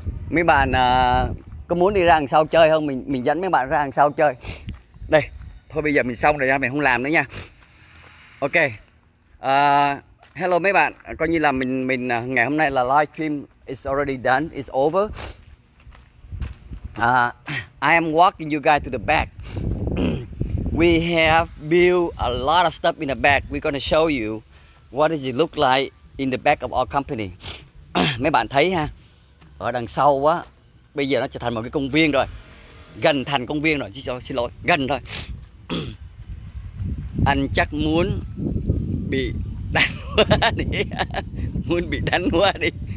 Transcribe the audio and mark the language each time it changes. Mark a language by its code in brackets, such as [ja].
[vi] Mấy bạn có muốn đi ra đằng sau chơi không? Mình dẫn mấy bạn ra đằng sau chơi. Đây, thôi bây giờ mình xong rồi nha, mình không làm nữa nha. Ok. Hello mấy bạn, coi như là mình ngày hôm nay là live stream [en] is already done, is over. I am walking you guys to the back. We have built a lot of stuff in the back. We're gonna show you what does it look like in the back of our company. [vi] Mấy bạn thấy ha, ở đằng sau á, bây giờ nó trở thành một cái công viên rồi, gần thành công viên rồi, xin lỗi, gần thôi. Anh chắc muốn bị đánh quá đi, muốn bị đánh quá đi.